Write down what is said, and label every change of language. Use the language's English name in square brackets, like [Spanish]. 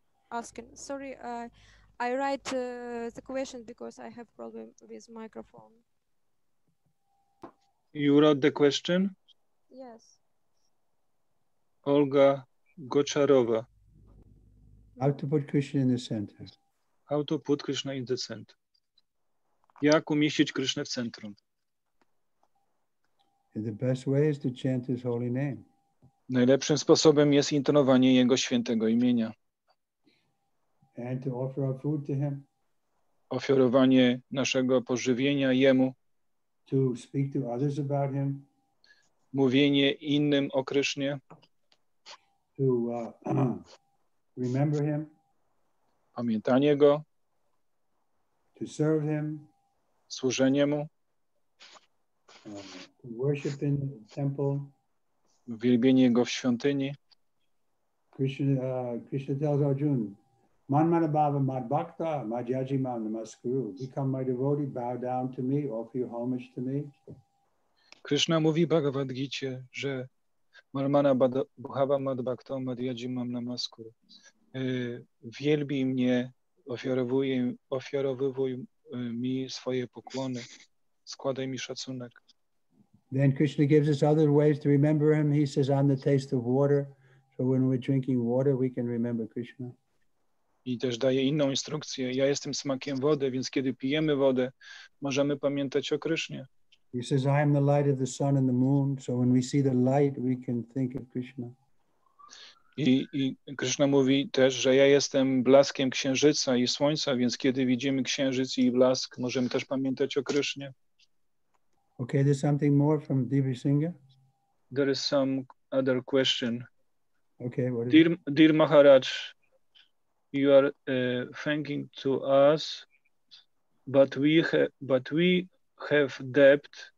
[English] Asking, sorry, I write the question because I have problem with microphone. You wrote the question? Yes. Olga Gocharova. How to put Krishna in the center? How to put Krishna in the center? [Polish] Jak umieścić Krysznę w centrum? [English] The best way is to chant his holy name. [Polish] Najlepszym sposobem jest intonowanie jego świętego imienia. [English] And to offer our food to him. [Polish] Ofiarowanie naszego pożywienia jemu. [English] To speak to others about him. [Polish] Mówienie innym o Krysznie. [English] To remember him. [Polish] Pamiętanie go. [English] To serve him. [Polish] Służenie mu. [English] To worship in the temple. [Polish] Uwielbienie go w świątyni. [English] Krishna tells Arjuna, [Sanskrit] Man manabhava mad bhakta mad yajiman namaskuru. [English] Become my devotee, bow down to me, offer your homage to me. [Polish] Krishna mówi Bhagavad Gita, że [Sanskrit] Man manabhava mad bhakta mad yajiman namaskuru. [Polish] Wielbij mnie, ofiarowuj mi swoje pokłony, składaj mi szacunek. [English] Then Krishna gives us other ways to remember him. He says, I'm the taste of water. So when we're drinking water, we can remember Krishna. [Polish] I też daje inną instrukcję. Ja jestem smakiem wody, więc kiedy pijemy wodę, możemy pamiętać o Krysznie. [English] He says, I am the light of the sun and the moon. So when we see the light, we can think of Krishna. [Polish] I Krishna mówi też, że ja jestem blaskiem księżyca i słońca, więc kiedy widzimy księżyc i blask, możemy też pamiętać o Krysznie. [English] Okay, there's something more from Devi Singha? There is some other question. Okay, what is it? Dear Maharaj, you are thanking to us, but we have debt.